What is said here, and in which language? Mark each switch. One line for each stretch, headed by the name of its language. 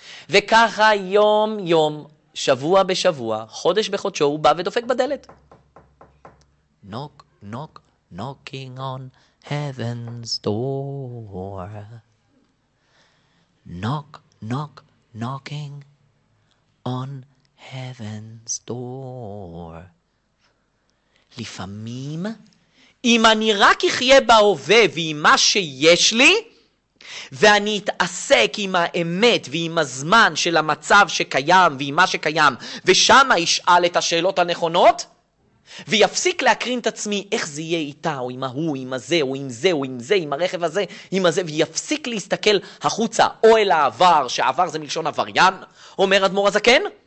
Hebrew: וככה יום יום, שבוע בשבוע, חודש בחודשו, הוא בא ודופק בדלת.
English: נוק, נוק. Knocking on heaven's door. Knock, knock, knocking on heaven's door.
Hebrew: לפעמים, אם אני רק אחיה בהווה ועם מה שיש לי, ואני אתעסק עם האמת ועם הזמן של המצב שקיים ועם מה שקיים, ושם אשאל את השאלות הנכונות, ויפסיק להקרין את עצמי איך זה יהיה איתה או עם ההוא, עם הזה או עם זה או עם זה, עם הרכב הזה, עם הזה, ויפסיק להסתכל החוצה או אל העבר, שהעבר זה מלשון עבריין, אומר אדמור הזקן,